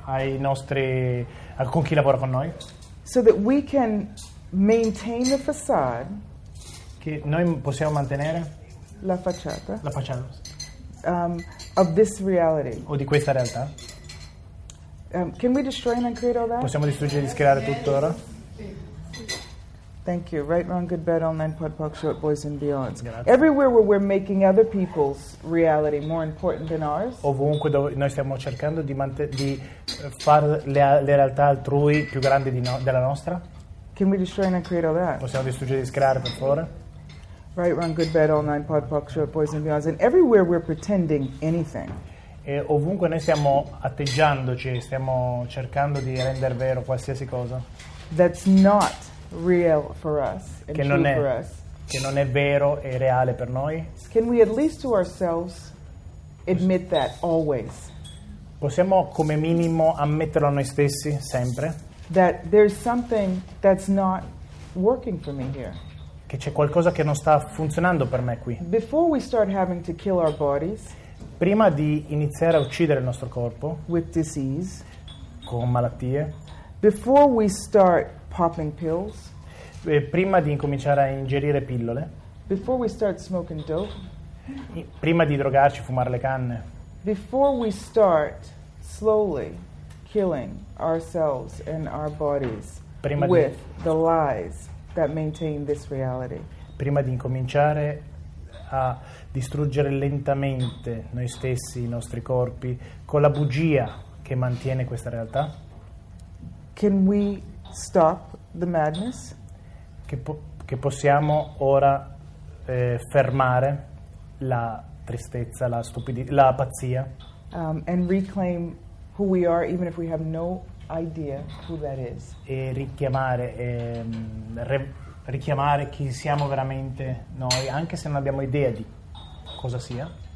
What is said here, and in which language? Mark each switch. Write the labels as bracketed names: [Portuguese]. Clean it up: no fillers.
[Italian] ai nostri con chi lavora con noi. [English] So that we can maintain the facade. [Italian] Che noi possiamo mantenere la facciata. La facciata. [English] Of this reality. [Italian] O di questa realtà. [English] Can we destroy and uncreate all that? [Italian] Possiamo distruggere e discreare tutto ora? [English] Thank you. Right, wrong, good, bad, online, pod, pop, short, boys and beyonds. Everywhere where we're making other people's reality more important than ours. [Italian] Ovunque dove noi stiamo cercando di far le realtà altrui più grandi della nostra. [English] Can we destroy and uncreate all that? [Italian] Possiamo distruggere e discreare, per favore? [English] Right, wrong, good, bad, all nine, pod, poc, short, boys and beyonds. And everywhere we're pretending anything. [Italian] E ovunque noi stiamo atteggiandoci, stiamo cercando di rendere vero qualsiasi cosa. [English] That's not real for us and [Italian] che [English] true [Italian] non è, [English] for us. [Italian] Che non è vero e reale per noi. [English] Can we at least to ourselves admit that always? [Italian] Possiamo come minimo ammetterlo a noi stessi sempre? [English] That there's something that's not working for me here. [Italian] Che c'è qualcosa che non sta funzionando per me qui. [English] Before we start having to kill our bodies, [Italian] prima di iniziare a uccidere il nostro corpo [English] with disease, [Italian] con malattie, [English] before we start popping pills, [Italian] prima di incominciare a ingerire pillole, [English] before we start smoking dope, [Italian] prima di drogarci, fumare le canne, [English] before we start slowly killing ourselves and our bodies with the lies that maintain this reality. [Italian] Prima di incominciare a distruggere lentamente noi stessi, i nostri corpi, con la bugia che mantiene questa realtà. [English] Can we stop the madness? [Italian] Che possiamo ora fermare la tristezza, la stupidità, la pazzia. [English] And reclaim who we are, even if we have no idea who that is. [Italian] E richiamare richiamare chi siamo veramente noi, anche se non abbiamo idea di cosa sia.